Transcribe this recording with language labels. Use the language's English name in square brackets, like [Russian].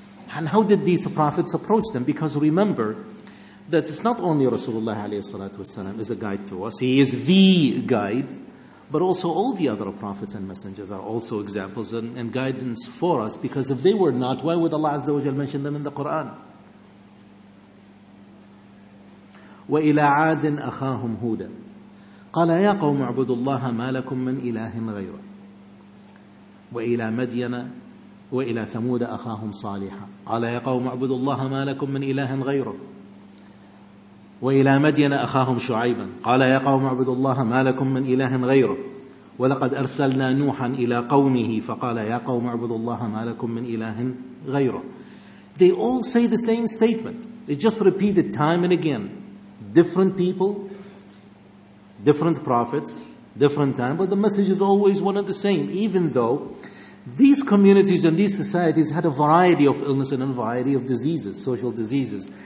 [English] And how did these prophets approach them? Because remember that it's not only Rasulullah alayhi salatu wasalam is a guide to us, he is the guide, but also all the other prophets and messengers are also examples and guidance for us, because if they were not, why would Allah Azza wa Jal mention them in the Quran? [Arabic] وَإِلَىٰ عَادٍ أَخَاهُمْ هُودًا قَالَ يَا قَوْمُ عَبُدُ اللَّهَ مَا لَكُمْ مِنْ إِلَهٍ غَيْرَهُ وَإِلَىٰ مَدْيَنَ وَإِلَىٰ ثَمُودَ أَخَاهُمْ صَالِحًا قَالَ يَا قَوْمُ عَبُدُ اللَّهَ مَا لَكُمْ مِنْ إِلَهٍ غَيْرَهُ وإلى مدين أخاهم شعيبا قال يا قوم اعبدوا الله ما لكم من إله غيره ولقد أرسلنا نوحا إلى قومه فقال يا قوم اعبدوا الله ما لكم من إله غيره. [English] They all say the same statement. It's just repeated time and again. Different people, different prophets, different time, but the message is always one and the same, even though these communities and these societies had a variety of illness and a variety of diseases, social diseases.